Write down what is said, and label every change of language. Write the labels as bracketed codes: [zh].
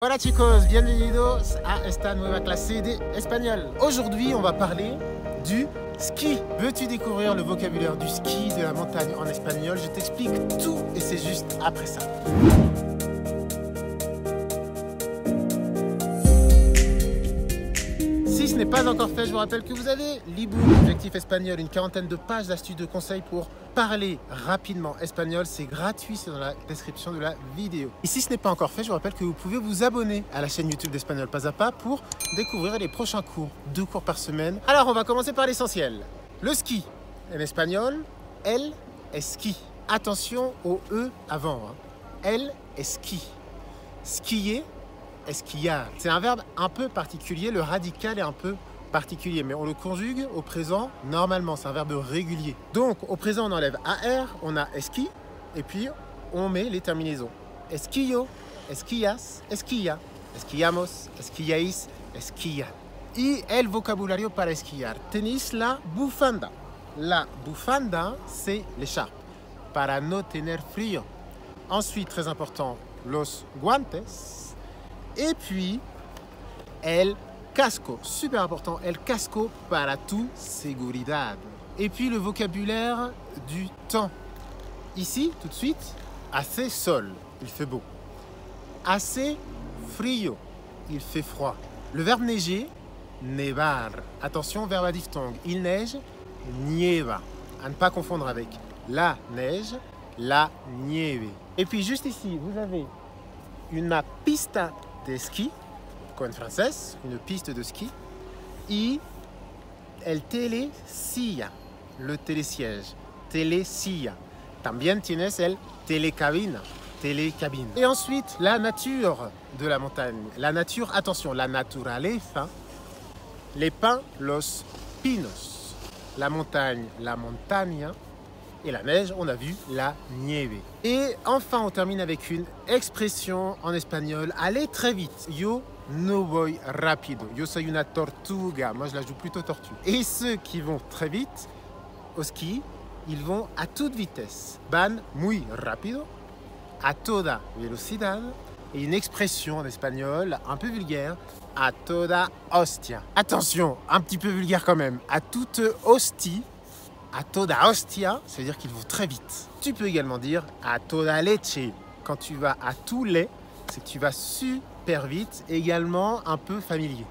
[es] Hola chicos, bienvenidos a esta nueva clase de español. [fr] Aujourd'hui, on va parler du ski. Veux-tu découvrir le vocabulaire du ski, de la montagne en espagnol? Je t'explique tout et c'est juste après ça. Si ce n'est pas encore fait, je vous rappelle que vous avez l'e-book Objectif Espagnol, une quarantaine de pages d'astuces de conseils pour parler rapidement espagnol. C'est gratuit, c'est dans la description de la vidéo. Et si ce n'est pas encore fait, je vous rappelle que vous pouvez vous abonner à la chaîne YouTube d'Espagnol Pas à Pas pour découvrir les prochains cours, 2 cours par semaine. Alors, on va commencer par l'essentiel. Le ski, en espagnol, el esquí. Attention au E avant. Hein. El esquí. Skier, esquillar. C'est un verbe un peu particulier, le radical est un peu particulier, mais on le conjugue au présent normalement, c'est un verbe régulier. Donc au présent on enlève AR, on a esqui, et puis on met les terminaisons. [es] Esquillo, esquillas, esquilla, esquillamos, esquillais, esquilla. Y el vocabulario para esquillar. Tenéis la bufanda. [fr] La bufanda, c'est l'écharpe. [es] Para no tener frío. [fr] Ensuite, très important, [es] los guantes. Et puis, el casco, [fr] super important, [es] el casco para tu seguridad. [fr] Et puis le vocabulaire du temps. Ici, tout de suite, [es] hace sol, [fr] il fait beau. [es] Hace frío, [fr] il fait froid. Le verbe neiger, nevar. Attention, verbe à diphtongue, il neige, nieva. À ne pas confondre avec la neige, la nieve. Et puis juste ici, vous avez [es] una pista de ski. [fr] En français, une piste de ski, [es] y el telesilla, [fr] le télésiège, telesilla. [es] También tienes el telecabina, telecabine. [fr] Et ensuite, la nature de la montagne, la nature, attention, la naturaleza, les pins, los pinos, la montagne, la montaña, et la neige, on a vu, la nieve. Et enfin, on termine avec une expression en espagnol, allez très vite, [es] yo no voy rápido. Yo soy una tortuga. [fr] Moi, je la joue plutôt tortue. Et ceux qui vont très vite au ski, ils vont à toute vitesse. [es] Van muy rápido, a toda velocidad. [fr] Et une expression en espagnol un peu vulgaire, [es] a toda hostia. [fr] Attention, un petit peu vulgaire quand même. A toute hostie, [es] a toda hostia, [fr] ça veut dire qu'ils vont très vite. Tu peux également dire [es] a toda leche. [fr] Quand tu vas à tout lait, c'est que tu vas super vite, également un peu familier.